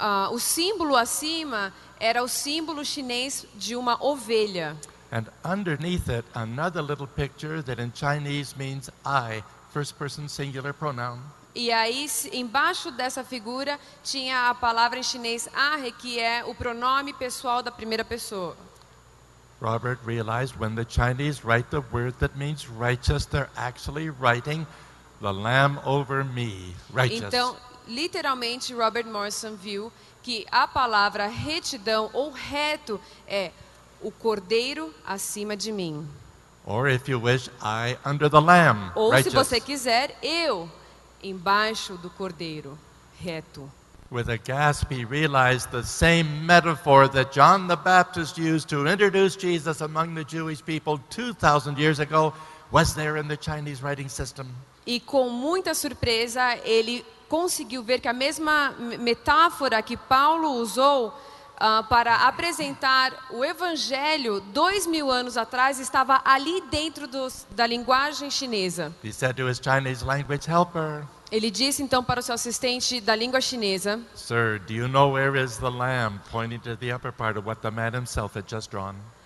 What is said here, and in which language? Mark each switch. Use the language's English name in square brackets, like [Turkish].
[Portuguese] O símbolo acima era o símbolo chinês de uma ovelha. [English] And underneath it, another little picture that in Chinese means I, first person singular pronoun. [Portuguese] E aí, embaixo dessa figura, tinha a palavra em chinês I, que é o pronome pessoal da primeira pessoa. [English] Robert realized when the Chinese write the word that means righteous, they're actually writing the lamb over me, righteous. [Portuguese] Então, literalmente, Robert Morrison viu que a palavra retidão ou reto é o cordeiro acima de mim. [English] Or if you wish, I under the lamb. [Portuguese] Ou [English] righteous. [Portuguese] Se você quiser, eu embaixo do cordeiro, reto. [English] With a gasp, he realized the same metaphor that John the Baptist used to introduce Jesus among the Jewish people 2,000 years ago was there in the Chinese writing system. [Portuguese] E com muita surpresa, ele conseguiu ver que a mesma metáfora que Paulo usou para apresentar o evangelho 2,000 anos atrás estava ali dentro da linguagem chinesa. [English] He said to his Chinese language helper, [Portuguese] ele disse então para o seu assistente da língua chinesa: [English] Sir, do you know where is the lamb? Pointing to the upper part of what the man himself had just drawn.